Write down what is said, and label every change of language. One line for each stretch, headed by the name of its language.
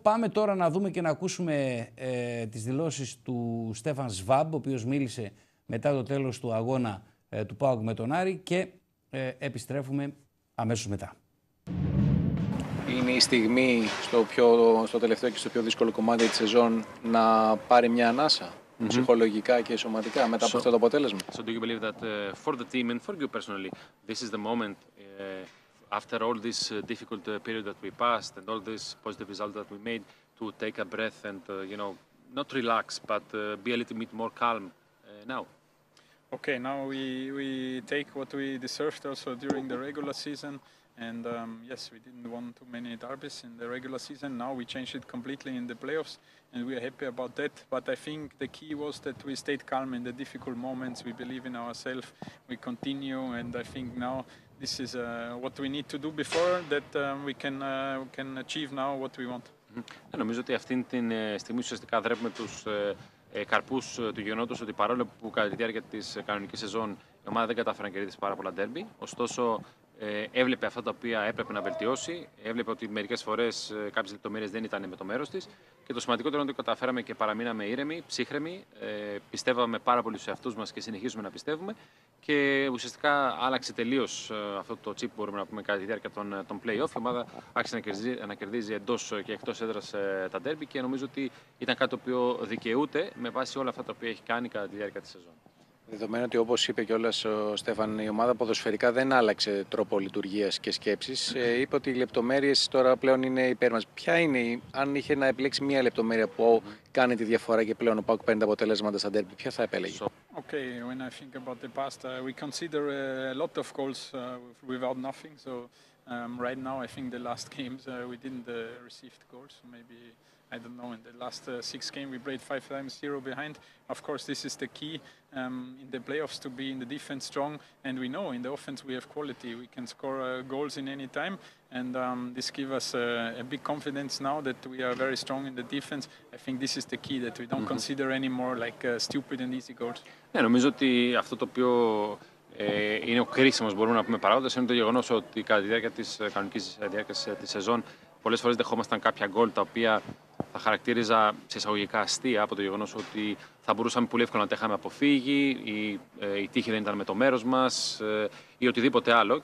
Greek: Πάμε τώρα να δούμε και να ακούσουμε τις δηλώσεις του Στέφαν Σβάμπ, ο οποίος μίλησε μετά το τέλος του αγώνα του ΠΑΟΚ με τον Άρη και επιστρέφουμε αμέσως μετά. Είναι η στιγμή στο τελευταίο και στο πιο δύσκολο κομμάτι της σεζόν να πάρει μια ανάσα ψυχολογικά και σωματικά μετά από αυτό το αποτέλεσμα.
English: So do you believe that for the team and for you personally, this is the moment after all this difficult period that we passed and all this positive result that we made to take a breath and you know, not relax but be a little bit more calm now? Okay, now we take what we deserved also during the regular season. And yes, we didn't want too many derbies in the regular season. Now we changed it completely in the playoffs, and we are happy about that. But I think the key was that we stayed calm in the difficult moments. We believe in ourselves. We continue, and I think now this is what we need to do before that we can achieve now what we want.
Greek: Νομίζω ότι αυτήν την στιγμή ουσιαστικά δρέπουμε τους καρπούς του γεγονότος ότι παρόλο που κατά τη διάρκεια της κανονικής σεζόν η ομάδα δεν κατάφερε να κερδίσει πάρα πολλά ντέρμπι. Ωστόσο, έβλεπε αυτά τα οποία έπρεπε να βελτιώσει. Έβλεπε ότι μερικές φορές κάποιες λεπτομέρειες δεν ήταν με το μέρος της. Και το σημαντικότερο είναι ότι καταφέραμε και παραμείναμε ήρεμοι, ψύχρεμοι. Πιστεύαμε πάρα πολύ στους εαυτούς μας και συνεχίζουμε να πιστεύουμε. Και ουσιαστικά άλλαξε τελείως αυτό το τσίπ, μπορούμε να πούμε, κατά τη διάρκεια των play-off. Η ομάδα άρχισε να κερδίζει εντός και εκτός έδρας τα ντέρμπι και νομίζω ότι ήταν κάτι το οποίο δικαιούται με βάση όλα αυτά τα οποία έχει κάνει κατά τη διάρκεια της σεζόν. Δεδομένου ότι όπως είπε κιόλας ο Στέφαν, η ομάδα ποδοσφαιρικά δεν άλλαξε τρόπο λειτουργίας και σκέψης. Είπε ότι οι λεπτομέρειες τώρα πλέον είναι υπέρ μας. Ποια είναι, αν είχε να επιλέξει μία λεπτομέρεια που κάνει τη διαφορά και πλέον ο ΠΑΟΚ παίρνει τα αποτελέσματα στα ντέρμπι, ποια θα επέλεγε?
English: Okay, when I think about the past, we consider a lot of goals without nothing. So right now I think the last games we didn't receive goals, maybe. I don't know, in the last six games we played 5-0 behind. Of course, this is the key in the playoffs to be in the defense strong. And we know in the offense we have quality. We can score goals in any time. And this gives us a big confidence now that we are very strong in the defense. I think this is the key, that we don't consider anymore like stupid and easy goals.
Greek: Yeah, νομίζω ότι αυτό το οποίο είναι ο κρίσιμος, μπορούμε να πούμε, παράγοντας, είναι το γεγονός ότι κατά τη διάρκεια της κανονικής διάρκειας της σεζόν πολλές φορές δεχόμασταν κάποια γκολ τα οποία θα χαρακτήριζα σε εισαγωγικά αστεία, από το γεγονός ότι θα μπορούσαμε πολύ εύκολα να τα είχαμε αποφύγει, ή η τύχη δεν ήταν με το μέρος μας, ή οτιδήποτε άλλο.